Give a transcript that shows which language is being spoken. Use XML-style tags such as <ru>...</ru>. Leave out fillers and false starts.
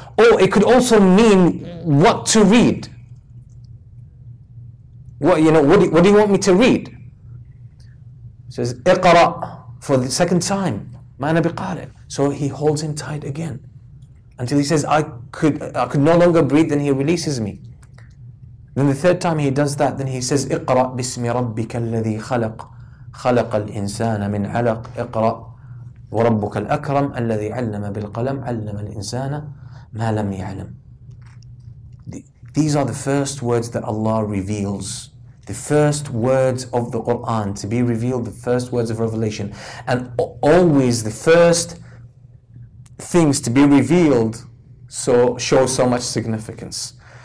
<en>Or it could also mean what to read. What do you want me to read? He says, اقرأ, for the second time.</en> <ar>مَعَنَا بِقَارِئ.</ar> <en>So he holds him tight again. Until he says, I could no longer breathe, then he releases me. Then the third time he does that, then he says,</en> <ar>اقرأ بِاسْمِ رَبِّكَ الَّذِي خَلَقْ خَلَقَ الْإِنسَانَ مِنْ عَلَقْ اقرأ وَرَبُّكَ الْأَكْرَمْ الَّذِي عَلَّمَ بِالْقَلَمْ عَلَّمَ الْإِنسَانَ مَا لَمْ يَعْلَمْ.</ar> <en>These are the first words that Allah reveals. The first words of the Quran to be revealed, the first words of revelation. And always the first things to be revealed so show so much significance.</en>